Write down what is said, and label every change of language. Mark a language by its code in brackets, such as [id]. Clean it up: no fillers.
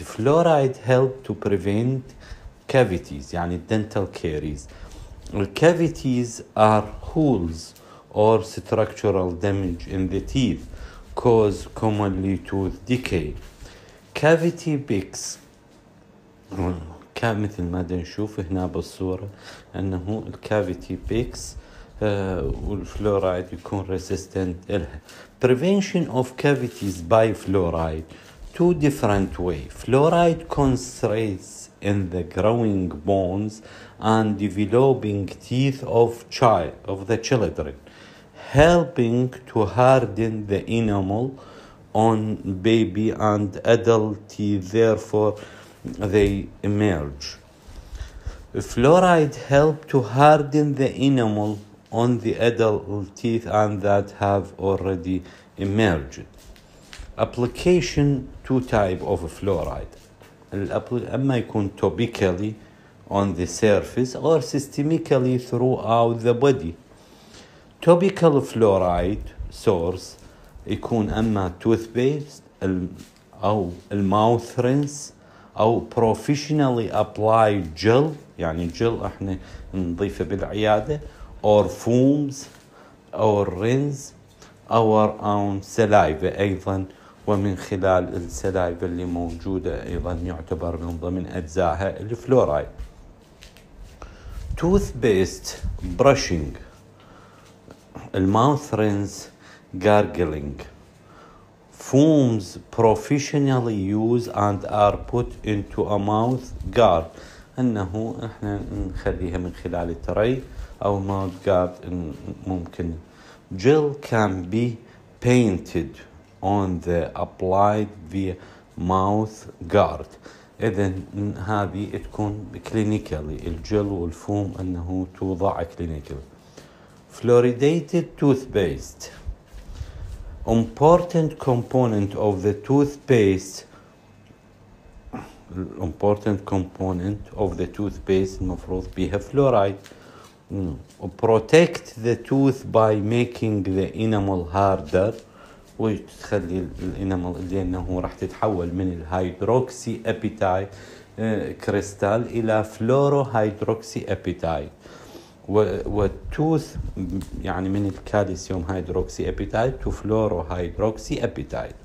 [en] Fluoride help to prevent cavities, يعني dental caries. Cavities are holes or structural damage in the teeth cause commonly tooth decay. Cavity picks. [ar] كمثل ما نشوف هنا بالصورة أنه الكافيتي بيكس والفلورايد يكون ريزيستنت إلها. [en] Prevention of cavities by fluoride two different way. Fluoride concentrates in the growing bones and developing teeth of child of the children, helping to harden the enamel on baby and adult teeth. Therefore they emerge. Fluoride help to harden the enamel on the adult teeth and that have already emerged. Application two type of fluoride. أما يكون topically on the surface or systemically throughout the body. Topical fluoride source [ar] يكون أما toothpaste أو mouth rinse أو [en] professionally applied gel، [ar] يعني gel احنا نضيفه بالعيادة، [en] or fumes or rinse our own saliva [ar] أيضا، ومن خلال السلايفة اللي موجودة أيضا يعتبر من ضمن أجزاءها الفلورايد. [en] Toothpaste brushing، mouth rinse gargling. Fumes professionally use and are put into a mouth guard. [ar] أنه إحنا نخليها من خلال التري أو mouth guard ممكن. [en] Gel can be painted on the applied via mouth guard. [ar] إذن هذه تكون كلينيكالي الجل والفوم أنه توضع كلينيكالي. [en] Fluoridated toothpaste. Important component of the toothpaste. Important component of the toothpaste [ar] المفروض بيها [en] fluoride. Protect the tooth by making the enamel harder. [ar] وتخلي الانامل اللي انه راح تتحول من الهيدروكسي ابيتايت كريستال الى فلورو هيدروكسي ابيتايت. والتوث يعني من الكالسيوم هيدروكسي ابيتايت تو فلورو هيدروكسي ابيتايت.